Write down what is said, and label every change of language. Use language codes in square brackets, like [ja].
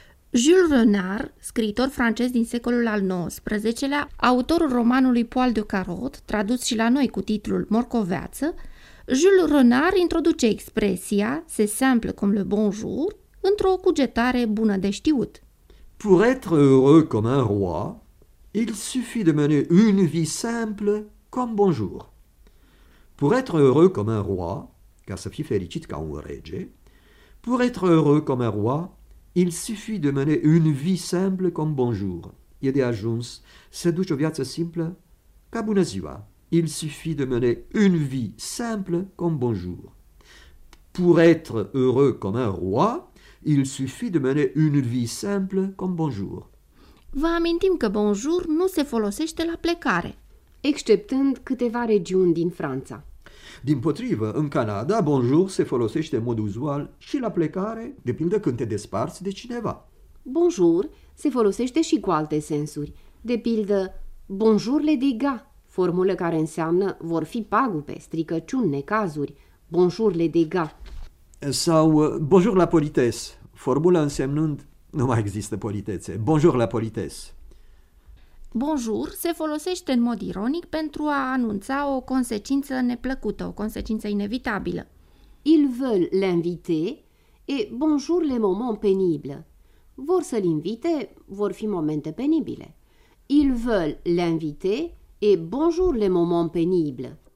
[ro] Jules Renard, scriitor francez din secolul al XIX-lea, autorul romanului Poil de Carotte, tradus și la noi cu titlul Morcoveață, Jules Renard introduce expresia [fr] «se simple comme le bonjour» [ro] într-o cugetare bună de știut. [fr] Pour être heureux comme un roi, il suffit de mener une vie simple comme bonjour. Pour être heureux comme un roi, [ro] ca să fii fericit ca un rege, [fr] pour être heureux comme un roi, il suffit de mener une vie simple comme bonjour. [ro] E de ajuns să duci o viață simplă ca bună ziua. [fr] Il suffit de mener une vie simple comme bonjour. Pour être heureux comme un roi, il suffit de mener une vie simple comme bonjour. [ro] Vă amintim că bonjour nu se folosește la plecare, exceptând câteva regiuni din Franța. Dimpotrivă, în Canada, bonjour se folosește în mod uzual și la plecare, de pildă când te desparți de cineva. Bonjour se folosește și cu alte sensuri, de pildă [fr] bonjour les dégâts, [ro] formulă care înseamnă vor fi pagube, stricăciuni, necazuri, bonjour les dégâts. Sau [fr] bonjour la politesse, [ro] formulă însemnând nu mai există politețe, bonjour la politesse. Bonjour se folosește în mod ironic pentru a anunța o consecință neplăcută, o consecință inevitabilă. [fr] Ils veulent l'inviter et bonjour les moments pénibles. [ro] Vor să-l invite, vor fi momente penibile. [fr] Ils veulent l'inviter et bonjour les moments pénibles.